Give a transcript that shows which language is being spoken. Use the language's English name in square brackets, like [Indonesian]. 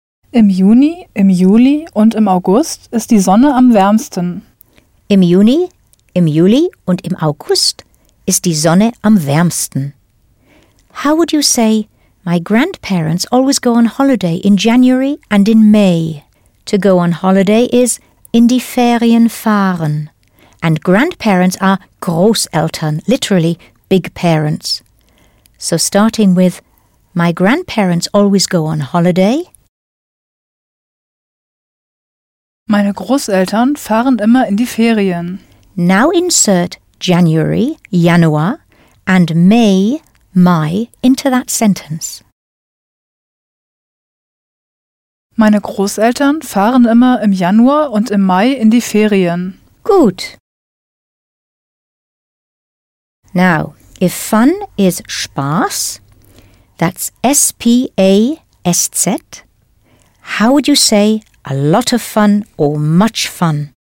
[German] Im Juni, im Juli und im August ist die Sonne am wärmsten. Im Juni, im Juli und im August ist die Sonne am wärmsten. [English] How would you say, my grandparents always go on holiday in January and in May? To go on holiday is [German] in die Ferien fahren. [English] And grandparents are Großeltern, literally big parents. So starting with, my grandparents always go on holiday. [German] Meine Großeltern fahren immer in die Ferien. [English] Now insert January, Januar, and May, Mai, into that sentence. [German] Meine Großeltern fahren immer im Januar und im Mai in die Ferien. Gut. [English] Now, if fun is Spaß, that's S-P-A-S-Z, how would you say a lot of fun or much fun?